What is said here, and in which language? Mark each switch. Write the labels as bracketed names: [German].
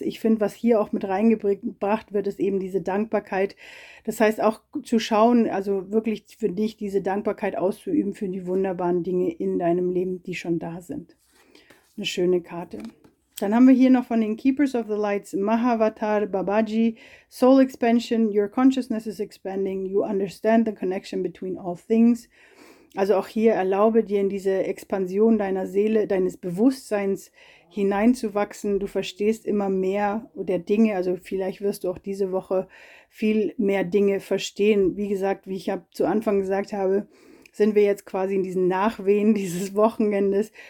[German] Ich finde, was hier auch mit reingebracht wird, ist eben diese Dankbarkeit. Das heißt auch zu schauen, also wirklich für dich diese Dankbarkeit auszuüben für die wunderbaren Dinge in deinem Leben, die schon da sind. Eine schöne Karte. Dann haben wir hier noch von den Keepers of the Lights Mahavatar Babaji. [English] Soul Expansion, your consciousness is expanding. You understand the connection between all things. [German] Also auch hier erlaube dir, in diese Expansion deiner Seele, deines Bewusstseins hineinzuwachsen. Du verstehst immer mehr der Dinge. Also vielleicht wirst du auch diese Woche viel mehr Dinge verstehen. Wie gesagt, wie ich habe zu Anfang gesagt habe, sind wir jetzt quasi in diesen Nachwehen dieses Wochenendes.